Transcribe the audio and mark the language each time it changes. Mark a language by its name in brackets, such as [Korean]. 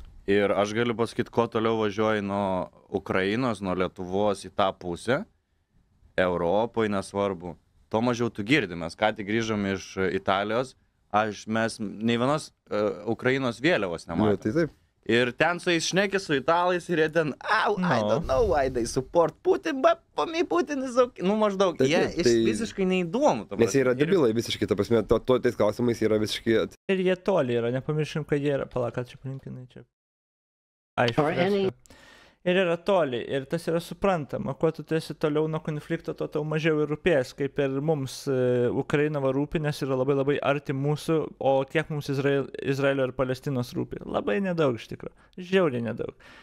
[Lithuanian] Ir aš galiu pasakyti, kuo toliau važiuoju nuo Ukrainos, nuo Lietuvos į tą pusę, Europoje, nesvarbu, to mažiau tu girdi. Mes ką tik grįžom iš Italijos, Aš mes nei vienos Ukrainos vėliavos nematėm. Tai taip. Ir ten su jais šneki, su italais ir jie ten, no. [English] I don't know why they support Putin, but for me Putin is okay. [Lithuanian] Nu maždaug, jie tai, visiškai neįduomu. Nes jie yra debilai ir... visiškai, ta prasme, to tais klausimais yra visiškai... Ir jie toli yra, nepamirškim, kad jie yra, palaka, čia palinkinai čia. Aišku, ir yra toli, ir tas yra suprantama, kuo tu esi toliau nuo konflikto, to tau mažiau ir rūpės, kaip ir mums Ukraina va rūpi, nes yra labai labai arti mūsų, o kiek mums Izraelio ir Palestinos rūpi, labai nedaug iš tikro, žiauriai nedaug.